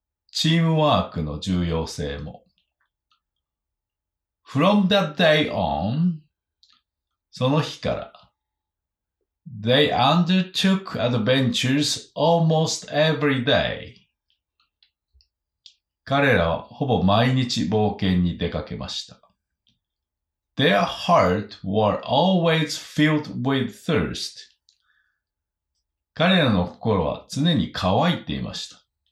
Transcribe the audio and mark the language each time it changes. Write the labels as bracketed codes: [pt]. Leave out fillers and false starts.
[ja] チームワークの重要性も。 [en] From that day on, [ja] その日から、 [en] They undertook adventures almost every day. [ja] 彼らはほぼ毎日冒険に出かけました。 [en] Their hearts were always filled with thirst. [ja] 彼らの心は常に渇いていました。